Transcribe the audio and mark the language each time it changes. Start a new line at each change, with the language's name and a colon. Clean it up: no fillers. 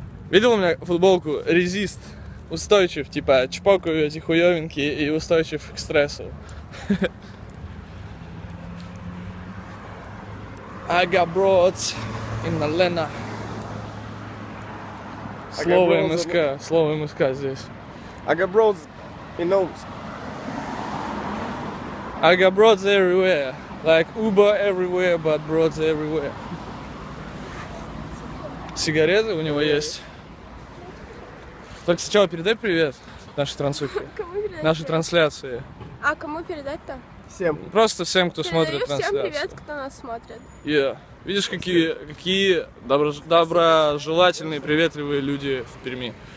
Russian: Видел у меня футболку резист, устойчив, типа чпокаю эти хуёвинки и устойчив к стрессу.
English: I got broads in the lena.
Russian: Слово МСК, слово МСК здесь.
English: I got broads in Omsk. I got broads everywhere, like Uber everywhere, but broads everywhere.
Russian: Сигареты у него есть. Только сначала передай привет нашей трансухе. Нашей трансляции. А кому передать-то? Всем. Просто всем, кто передаю смотрит трансляцию. Передаю всем привет, кто нас смотрит.
English: Yeah.
Russian: Видишь, какие доброжелательные, приветливые люди в Перми.